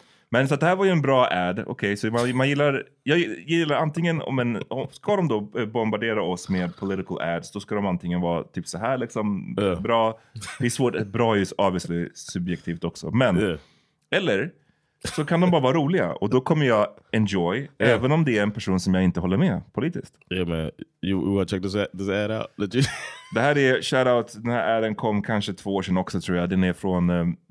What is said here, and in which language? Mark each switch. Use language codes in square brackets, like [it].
[sv] Men så att det här var ju en bra ad. Okej, okay, så man gillar, jag gillar antingen, om en, ska de då bombardera oss med [en] political ads, [sv] då ska de antingen vara typ så här liksom bra. Det är svårt, bra är ju obviously subjektivt också. Men, eller så kan de bara vara roliga och då kommer jag enjoy, även om det är en person som jag inte håller med politiskt. [en] Yeah man, you want to check this ad out? [sv] Det här är, [en] shout out, [sv] den här aden kom kanske 2 år sedan också tror jag, den är från...